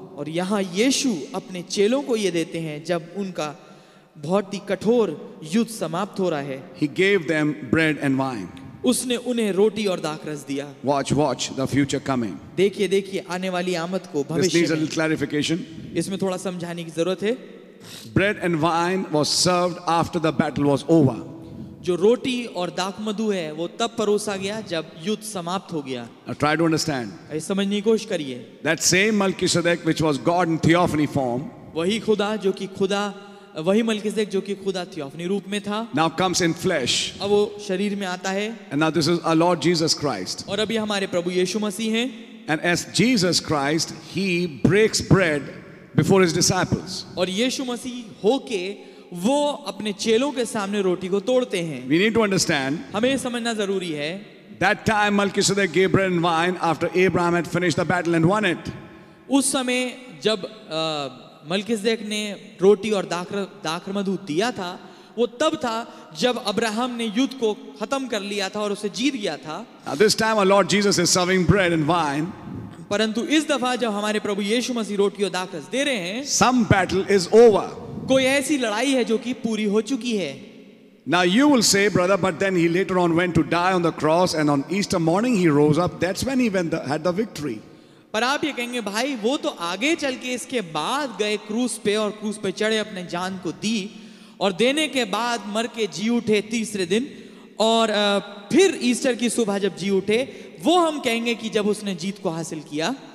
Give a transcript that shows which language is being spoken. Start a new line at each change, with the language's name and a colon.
Hindi: और यहाँ यीशु अपने चेलों को ये देते हैं जब उनका बहुत ही कठोर युद्ध समाप्त हो रहा है.
English: He gave them bread and wine.
Hindi: उसने उन्हें रोटी और दाखरस दिया.
English: Watch the future coming.
Hindi: देखिए देखिए आने वाली आमद को, भविष्य.
English: This needs a little clarification.
Hindi: इसमें थोड़ा समझाने की जरूरत है.
English: Bread and wine was served after the battle was over.
Hindi: जो रोटी और दाखमधु है वो तब परोसा गया जब युद्ध समाप्त हो गया.
English: Now try to understand.
Hindi: समझने की कोशिश करिए.
English: That same Melchizedek which was God in theophany form.
Hindi: वही मलकीसेदेक जो कि खुदा थियोफनी रूप में था.
English: Now comes in flesh.
Hindi: अब वो शरीर में आता है.
English: And now this is our Lord Jesus Christ.
Hindi: और अभी हमारे प्रभु यीशु मसीह हैं.
English: And as Jesus Christ, he breaks bread before his disciples.
Hindi: और यीशु मसीह होके वो अपने चेलों के सामने रोटी को तोड़ते हैं.
English: We need to understand.
Hindi: हमें समझना जरूरी है.
English: That time Melchizedek gave bread and wine after Abraham had finished the battle and won it.
Hindi: उस समय जब मलकीसेदेक ने रोटी और दाखमधु दिया था, वो तब था जब अब्राहम ने युद्ध को खत्म कर लिया था और उसे जीत गया था.
English: Now this time our Lord Jesus is serving bread and wine.
Hindi: परंतु इस दफा जब हमारे प्रभु यीशु मसीह रोटी और दाखरस दे रहे हैं,
English: Some battle is over.
Hindi: कोई ऐसी लड़ाई है जो कि पूरी हो चुकी है.
English: Now you will say, brother, but then he later on went to die on the cross and on Easter morning he rose up. That's when he had the victory.
Hindi: पर आप ये कहेंगे, भाई वो तो आगे चल के इसके बाद गए क्रूस पे और क्रूस पे चढ़े, अपने जान को दी और देने के बाद मर के जी उठे तीसरे दिन, और फिर ईस्टर की सुबह जब जी उठे वो हम कहेंगे कि जब उसने जीत को हासिल किया.